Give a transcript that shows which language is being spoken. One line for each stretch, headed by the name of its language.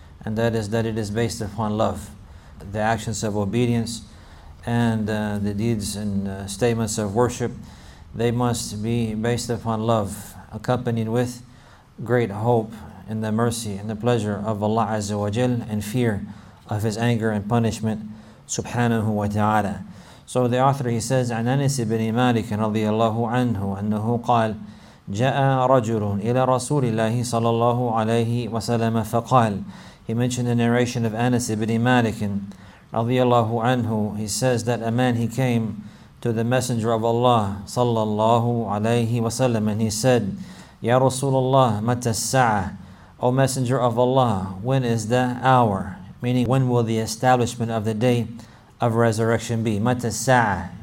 English: And that is that it is based upon love, the actions of obedience, and the deeds and statements of worship, they must be based upon love, accompanied with great hope in the mercy and the pleasure of Allah Azza wa Jal, and fear of His anger and punishment, Subhanahu wa Ta'ala. So the author, he says,
Arabic: عن أنس بن مالك رضي الله عنه أنه قال جاء رجل إلى رسول الله صلى الله عليه وسلم فقال.
English: He mentioned the narration of Anas ibn Malik radiyallahu anhu. He says that a man, he came to the Messenger of Allah sallallahu alayhi wa sallam, and he said,
Arabic: Ya Rasulullah, mata as-sa'ah?
English: O Messenger of Allah, when is the hour? Meaning, when will the establishment of the day of resurrection be?
Arabic: Mata as-sa'ah?